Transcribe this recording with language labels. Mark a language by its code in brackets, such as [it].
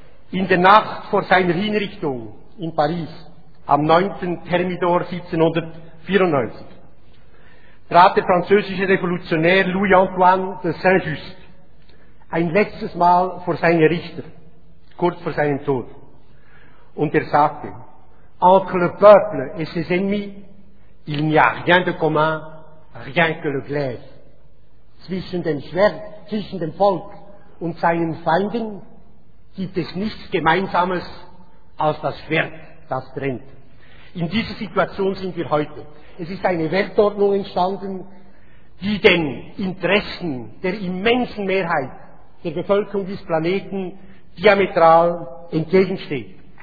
[de] In der Nacht vor seiner Hinrichtung in Paris am 9. Thermidor 1794 trat der französische Revolutionär Louis-Antoine de Saint-Just ein letztes Mal vor seine Richter, kurz vor seinem Tod. Und er sagte, [fr] entre le peuple et ses ennemis, il n'y a rien de commun, rien que le glaive. [de] Zwischen dem Volk und seinen Feinden gibt es nichts Gemeinsames als das Schwert, das trennt. In dieser Situation sind wir heute. Es ist eine Weltordnung entstanden, die den Interessen der immensen Mehrheit der Bevölkerung des Planeten diametral entgegensteht.